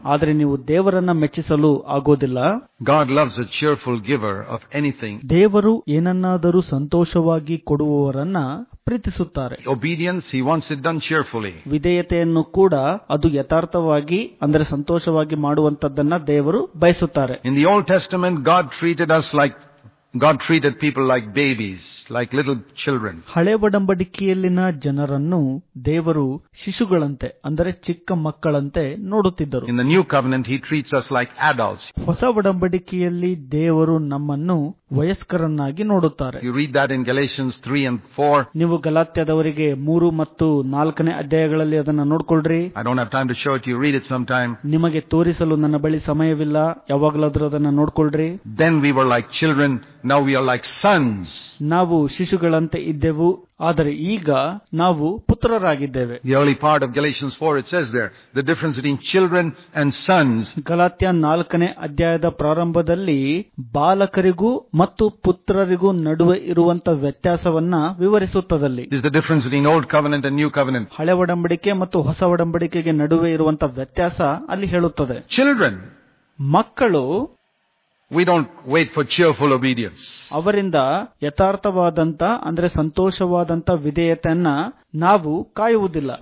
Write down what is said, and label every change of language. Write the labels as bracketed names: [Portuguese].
[Kannada] ಆದರೆ ನೀವು ದೇವರನ್ನ ಮೆಚ್ಚಿಸಲು ಆಗೋದಿಲ್ಲ. [English] God loves a cheerful giver of anything. [Kannada] ದೇವರು ಏನನ್ನಾದರೂ ಸಂತೋಷವಾಗಿ ಕೊಡುವವರನ್ನ ಪ್ರೀತಿಸುತ್ತಾರೆ. [English] Obedience, he wants it done cheerfully. [Kannada] ವಿಧೇಯತೆಯನ್ನು ಕೂಡ ಅದು ಯಥಾರ್ಥವಾಗಿ ಅಂದರೆ ಸಂತೋಷವಾಗಿ ಮಾಡುವಂತದ್ದನ್ನ ದೇವರು ಬಯಸುತ್ತಾರೆ. [English] In the Old Testament, God treated us like God treated people like babies, like little children. [Kannada] ಹಳೆ ಒಡಂಬಡಿಕೆಯಲ್ಲಿನ ಜನರನ್ನು ದೇವರು ಶಿಶುಗಳಂತೆ ಅಂದರೆ ಚಿಕ್ಕ ಮಕ್ಕಳಂತೆ ನೋಡುತ್ತಿದ್ದರು. [English] In the new covenant, he treats us like adults. [Kannada] ಹೊಸ ಒಡಂಬಡಿಕೆಯಲ್ಲಿ ದೇವರು ನಮ್ಮನ್ನು ವಯಸ್ಕರನ್ನಾಗಿ ನೋಡುತ್ತಾರೆ. [English] You read that in Galatians 3 and 4. [Kannada] ನೀವು ಗಲಾತ್ಯದವರಿಗೆ 3 ಮತ್ತು 4ನೇ ಅಧ್ಯಾಯಗಳಲ್ಲಿ ಅದನ್ನು ನೋಡಿಕೊಳ್ಳ್ರಿ. [English] I don't have time to show it to you. Read it sometime. [Kannada] ನಿಮಗೆ ತೋರಿಸಲು ನನ್ನ ಬಳಿ ಸಮಯವಿಲ್ಲ, ಯಾವಾಗಲಾದರೂ ಅದನ್ನು ನೋಡಿಕೊಳ್ಳ್ರಿ. [English] Then we were like children. Now we are like sons. [Kannada] ನಾವು ಶಿಶುಗಳಂತೆ ಇದ್ದೆವು, ಆದರೆ ಈಗ ನಾವು ಪುತ್ರರಾಗಿದ್ದೇವೆ. [English] The early part of Galatians 4, it says there, the difference between children and sons. [Kannada] Galatia 4ನೇ ಅಧ್ಯಾಯದ ಪ್ರಾರಂಭದಲ್ಲಿ ಬಾಲಕರಿಗೂ ಮತ್ತು ಪುತ್ರರಿಗೂ ನಡುವೆ ಇರುವಂತಹ ವ್ಯತ್ಯಾಸವನ್ನ ವಿವರಿಸುತ್ತದಲ್ಲಿ. [English] Is the difference between old covenant and new covenant. [Kannada] ಹಳೆ ಒಡಂಬಡಿಕೆ ಮತ್ತು ಹೊಸ ಒಡಂಬಡಿಕೆಗೆ ನಡುವೆ ಇರುವಂತಹ ವ್ಯತ್ಯಾಸ ಅಲ್ಲಿ ಹೇಳುತ್ತದೆ. [English] Children, [Kannada] ಮಕ್ಕಳು, [English] we don't wait for cheerful obedience. [Kannada] Avarinda yatharthavadanta andre santoshavadanta vidheyatanna ನಾವು ಕಾಯುವುದಿಲ್ಲ.